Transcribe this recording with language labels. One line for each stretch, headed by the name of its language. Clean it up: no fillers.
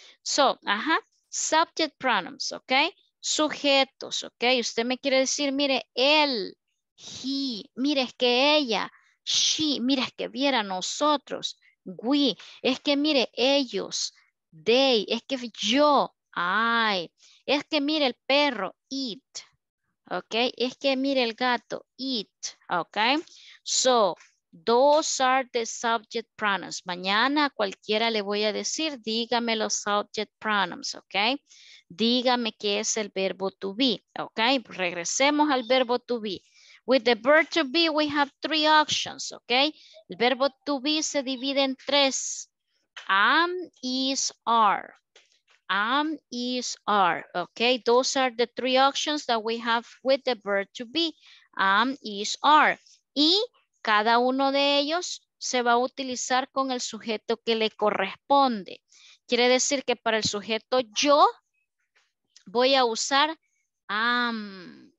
Spanish: So, ajá, subject pronouns, ok, sujetos, ok, usted me quiere decir, mire, él, he, mire, es que ella, she, mire, es que viera nosotros, we, es que mire, ellos, they, es que yo, I, es que mire, el perro, it, ok, es que mire, el gato, it, ok, so,
English: those are the subject pronouns.
Spanish: Mañana a cualquiera le voy a decir, dígame los subject pronouns, ¿ok? Dígame qué es el verbo to be, ¿ok? Regresemos al verbo to be.
English: With the verb to be, we have three options, okay?
Spanish: El verbo to be se divide en tres.
English: Am, is, are. Am, is, are. Okay, those are the three options that we have with the verb to be. Am, is, are.
Spanish: Y cada uno de ellos se va a utilizar con el sujeto que le corresponde. Quiere decir que para el sujeto yo voy a usar am.